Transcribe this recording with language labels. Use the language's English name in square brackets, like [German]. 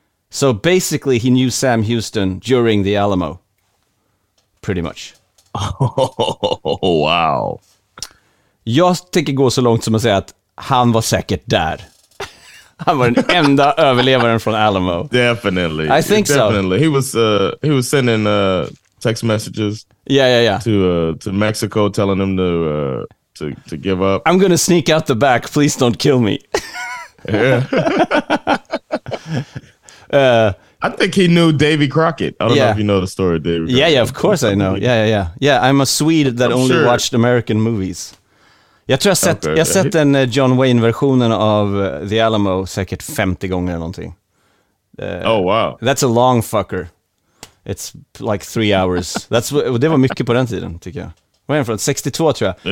[English] So basically he knew Sam Houston during the Alamo. Pretty much. Oh wow. [Swedish] Jag tänker gå så långt som att säga att han var säkert där. Han var den enda överlevaren från Alamo. [English] Definitely. I think definitely. So. Definitely. He was sending text messages. Yeah, yeah, yeah. To Mexico telling him to give up. I'm going to sneak out the back. Please don't kill me. Yeah. I think he knew Davy Crockett. I don't know if you know the story of Davy Crockett. Yeah, yeah, of course I know. Yeah, yeah, yeah. Yeah, I'm a Swede that I'm only sure. watched American movies. [Swedish] Jag tror jag sett den John Wayne-versionen av The Alamo säkert 50 gånger eller någonting. [English] Oh, wow. That's a long fucker. It's like 3 hours. [Swedish] Det var mycket på den tiden, tycker jag. Var är från? 62, tror jag.